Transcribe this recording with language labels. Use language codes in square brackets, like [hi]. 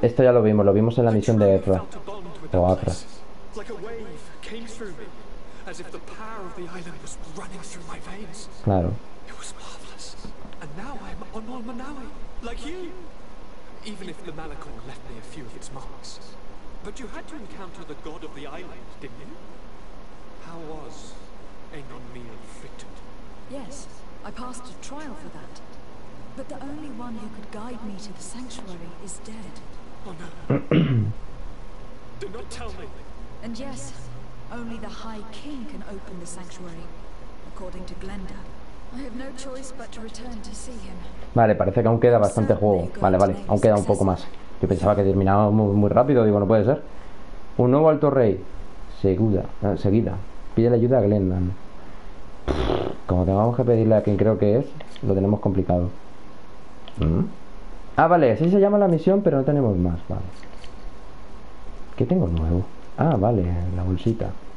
[es] Esto ya lo vimos en la misión de Ezra. O Afra. [en] Like a wave came through me. As if the power of the island was running through my veins. [es] Claro. [en] It was marvelous. And now I'm on Malmanawi, like you. Even if the Malikor left me a few of its marks. But you had to encounter the god of the island, didn't you? How was Aenon Mil victored? Yes, I passed a trial for that. But the only one who could guide me to the sanctuary is dead. Oh no. Do not tell me. And yes. Only the High King can open the sanctuary, according to Glenda. I have no choice but to return to see him. [es] Vale, parece que aún queda bastante juego. Vale, aún queda un poco más. Yo pensaba que terminaba muy rápido, digo, no puede ser. Un nuevo Alto Rey. Seguida. Pide la ayuda a Glenda. Como tengamos que pedirle a quien creo que es, lo tenemos complicado. Ah, vale, así se llama la misión, pero no tenemos más. Vale. ¿Qué tengo nuevo? Ah, vale, la bolsita.